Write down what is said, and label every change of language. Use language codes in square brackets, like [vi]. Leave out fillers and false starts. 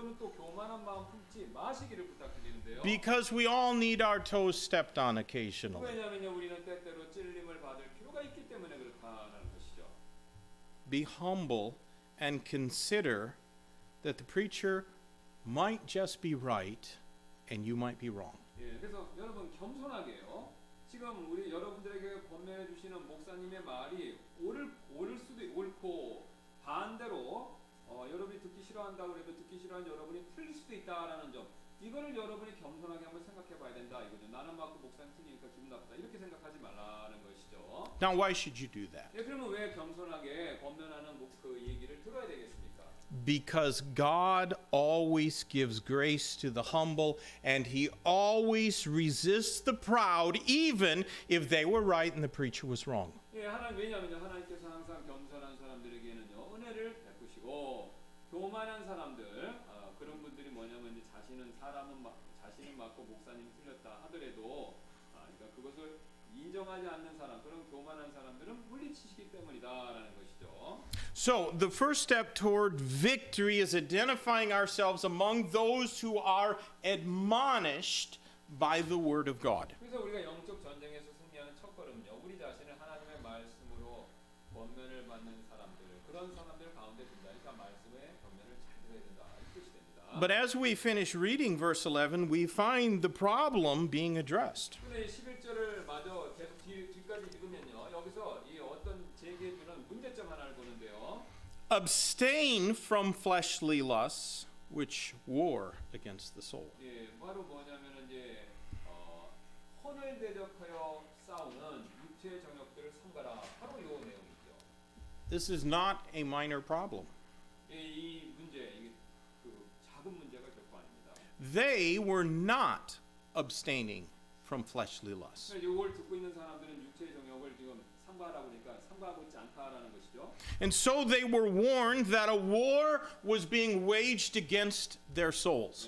[ko] 여러분 또 교만한 마음 품지 마시기를 부탁드리는데요. [en] Because we all need our toes stepped on occasionally. [ko] 왜냐하면 우리는 때때로 찔림을 받을 필요가 있기 때문에 그렇다는 것이죠. [en] Be humble and consider that the preacher might just be right and you might be wrong. [ko] 예, 그래서 여러분 겸손하게요. 지금 우리 여러분들에게 권면해 주시는 목사님의 말이 옳을 수도 옳고 반대로 여러분이 듣기 싫어한다 그래도 듣기 싫어하는 여러분이 틀릴 수도 있다라는 점 이거를 여러분이 겸손하게 한번 생각해 봐야 된다 이거죠. 나는 맞고 목사님 틀리니까 기분 나쁘다 이렇게 생각하지 말라는 것이죠. [en] Now why should you do that? [ko] 예, 그러면 왜 겸손하게 권면하는 그 얘기를 들어야 되겠습니까? [en] Because God always gives grace to the humble and he always resists the proud even if they were right and the preacher was wrong. [ko] 예, 왜냐하면 하나님께서 항상 겸손한 사람들에게는요 은혜를 베푸시고 교만한 사람들 그런 분들이 뭐냐면 이제 자신은 맞고 목사님 틀렸다 하더라도 그러니까 그것을 인정하지 않는 사람 그런 교만한 사람들은 물리치시기 때문이다라는 것이죠. [en] So the first step toward victory is identifying ourselves among those who are admonished by the word of God. [ko] 그래서 우리가 영적 전쟁에서 승리하는 첫 걸음은요 우리 자신을 하나님의 말씀으로 권면을 받는 사람들 그런 사람들 가운데 든다. 그러니까 말씀에 권면을 잘 들어야 된다 이 뜻이 됩니다. [en] But as we finish reading verse 11, we find the problem being addressed. [ko] 근데 11절을 마저 계속 뒤까지 읽으면요 여기서 이 어떤 제기해주는 문제점 하나를 보는 [en] Abstain from fleshly lusts, which war against the soul. [ko] 예, 바로 뭐냐면은 이제 혼을 대적하여 싸우는 육체의 정욕들을 삼가라. 바로 이 내용이죠. [en] This is not a minor problem. [ko] 예, 이 문제, 이게 그 작은 문제가 결코 아닙니다. [en] They were not abstaining from fleshly lusts. [ko] 이걸 듣고 있는 사람들은 육체의 정욕을 지금 삼가라 그러니까 삼가하고 있지 않다라는 것이죠. [en] And so they were warned that a war was being waged against their souls.